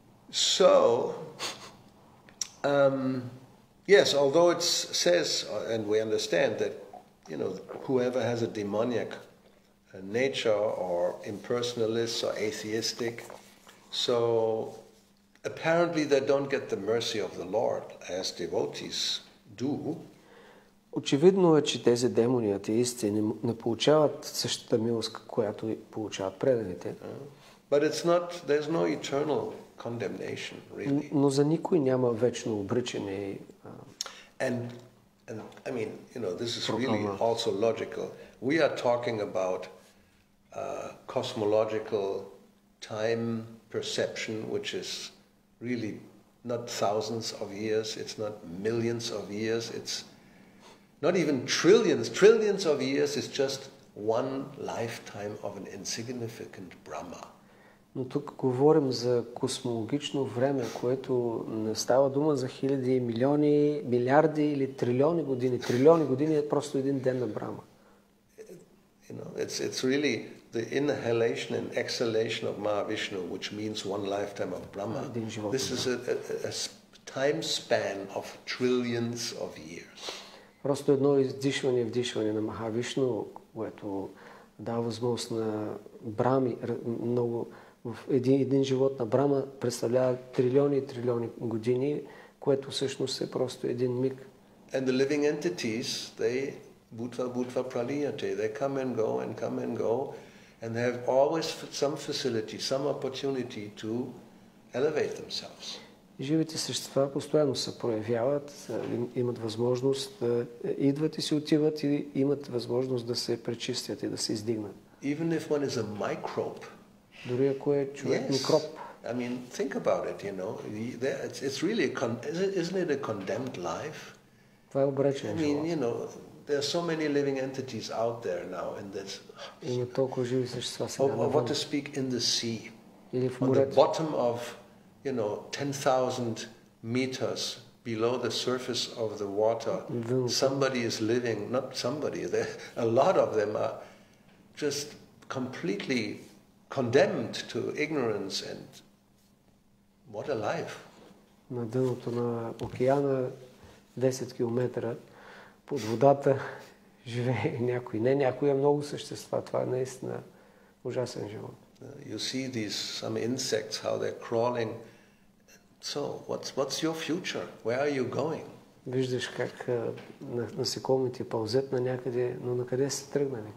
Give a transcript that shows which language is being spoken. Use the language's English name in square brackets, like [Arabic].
[English] So, yes, although it says, and we understand that, you know, whoever has a demoniac nature or impersonalist or atheistic, so apparently they don't get the mercy of the Lord as devotees do. [Bulgarian] Очевидно е, че тези демони, атеисти, не получават същата милост, която получават преданите. [English] But it's not, there's no eternal condemnation, really. [Bulgarian] Но за никой няма вечно обричане. [English] And I mean, you know, this is really also logical. We are talking about cosmological time perception, which is really not thousands of years, it's not millions of years, it's not even trillions. Trillions of years is just one lifetime of an insignificant Brahma. [Bulgarian] Но тук говорим за космологично време, което не става дума за хиляди, милиони, милиарди или трилиони години. Трилиони години е просто един ден на Брама. [English] You know, it's really the inhalation and exhalation of Mahavishnu, which means one lifetime of Brahma. This is a time span of trillions of years. [Bulgarian] Просто едно издишване и вдишване на Махавишну, което дава възможност на Брами, много в един живот на Брама представлява трилиони и трилиони години, което всъщност е просто един миг. [English] And the living entities, they butva butva praliyate, they come and go and come and go, and they have always some facility, some opportunity to elevate themselves. [Bulgarian] Живите същества постоянно се проявяват, имат възможност да идват и се отиват и имат възможност да се пречистят и да се издигнат. [English] Even if one is a microbe. [Bulgarian] Дори ако е човек микроб. [English] I mean, think about it, you know. It's really isn't it a condemned life? [Bulgarian] Това е обречен живот. [English] I mean, you know, there are so many living entities out there now in this. [Bulgarian] Има толкова живи същества сега навън. [English] What to speak in the sea? [Bulgarian] Или в морето. [English] On the bottom of, you know, 10,000 meters below the surface of the water, somebody is living, not somebody, a lot of them are just completely condemned to ignorance and what a life. [Bulgarian] На дъното на океана, 10 километра под водата, живее някой. Не някой, а много същества. Това е наистина ужасен живот. [English] You see these, some insects, how they're crawling. So, what's your future? Where are you going? [Bulgarian] Виждаш как насекомите пълзят на някъде, но на къде сте тръгнали?